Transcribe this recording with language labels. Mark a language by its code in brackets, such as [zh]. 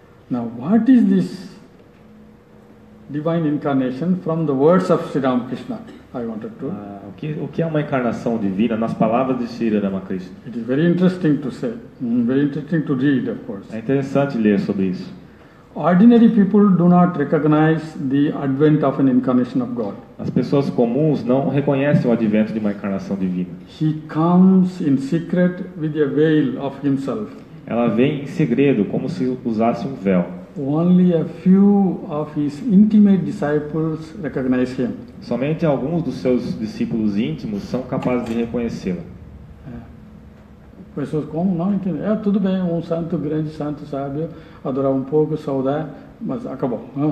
[en] Now, what is this divine incarnation from the words of Sri Ramakrishna? I wanted to. [pt] O que é uma encarnação divina nas palavras de Sri Ramakrishna? [en] It is very interesting to say, very interesting to read, of course. [pt] É interessante ler sobre isso. [en] Ordinary people do not recognize the advent of an incarnation of God. [pt] As pessoas comuns não reconhecem o advento de uma encarnação divina. [en] He comes in secret with a veil of himself. [pt] Ela vem em segredo, como se usasse um véu. [en] Only a few of his intimate disciples recognize him. [pt] Somente alguns dos seus discípulos íntimos são capazes de reconhecê-lo. Pessoas como não entendem. É, tudo bem, um santo, grande santo, sábio, adorar um pouco, saudar, mas acabou.